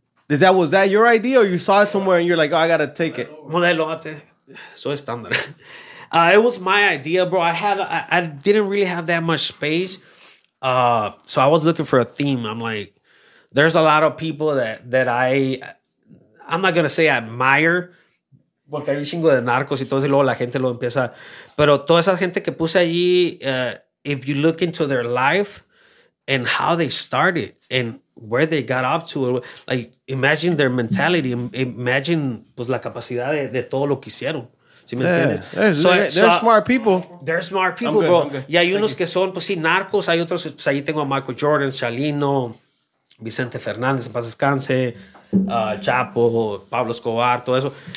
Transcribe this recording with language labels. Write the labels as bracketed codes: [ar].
[en] Was that your idea or you saw it somewhere and you're like, oh, I gotta take it? Modelo, so estándar. It was my idea, bro. I didn't really have that much space. So I was looking for a theme. I'm like, there's a lot of people that I'm not going to say admire. [es] Porque hay un chingo de narcos y todo eso, y luego la gente lo empieza. Pero toda esa gente que puse allí, [en] if you look into their life and how they started and where they got up to, like, imagine their mentality. [es] Imagine, pues, la capacidad de todo lo que hicieron. ¿Sí me entiendes? [en] They're smart people. They're smart people, I'm good, bro. I'm good. [es] Y hay unos que son, pues, sí, narcos. Hay otros, pues, ahí tengo a Michael Jordan, Chalino, Vicente Fernández, en paz descanse, Chapo, Pablo Escobar, todo eso.